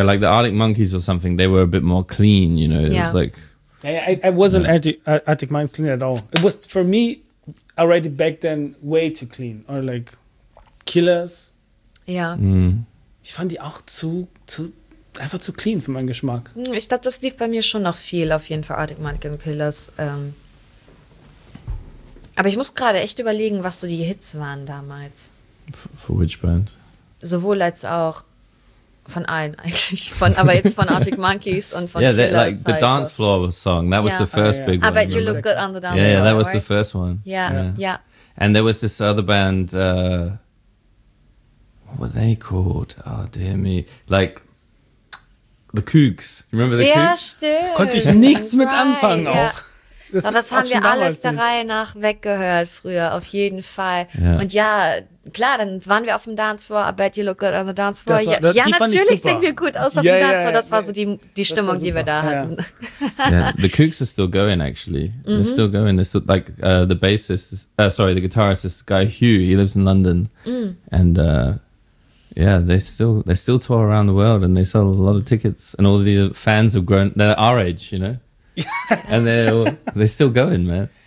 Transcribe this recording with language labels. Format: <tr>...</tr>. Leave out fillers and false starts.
<en>Yeah, like the Arctic Monkeys or something. They were a bit more clean, you know. It was like... I wasn't Arctic Monkeys clean at all. It was, for me, already back then, way too clean. Or like Killers. Yeah. Mm.</en> <de>Ich fand die auch einfach zu clean für meinen Geschmack. Ich glaube, das lief bei mir schon noch viel, auf jeden Fall Arctic Monkeys und Killers. Aber ich muss gerade echt überlegen, was so die Hits waren damals.</de> <en>For which band?</en> <de>Sowohl als auch. von allen eigentlich, von, aber jetzt von Arctic Monkeys und von Killers.</de> <en>Yeah, like the dance floor song, that was the first big one. I bet you look good on the dance floor. Yeah, that was the first one. Yeah. And there was this other band, what were they called? Oh, dear me. Like, The Kooks. Remember The Kooks?</en> <de>Ja, stimmt. Konnte ich nichts mit anfangen auch. Das, doch, das haben wir alles der Reihe nach weggehört früher, auf jeden Fall. Ja. Und ja, klar, dann waren wir auf dem Dancefloor,</de> <en>I bet you look good on the Dancefloor.</en> <de>War, ja, das, ja natürlich singen wir gut aus auf dem Dancefloor. Das war so die Stimmung, die wir da hatten.</de> <en>Yeah. The Kooks are still going, actually. Mm-hmm. They're still going. They're still, like, the bassist, is, sorry, the guitarist is Guy Hugh. He lives in London. Mm. And, yeah, they still tour around the world and they sell a lot of tickets. And all the fans have grown, they're our age, you know? And they're still going, man.</en>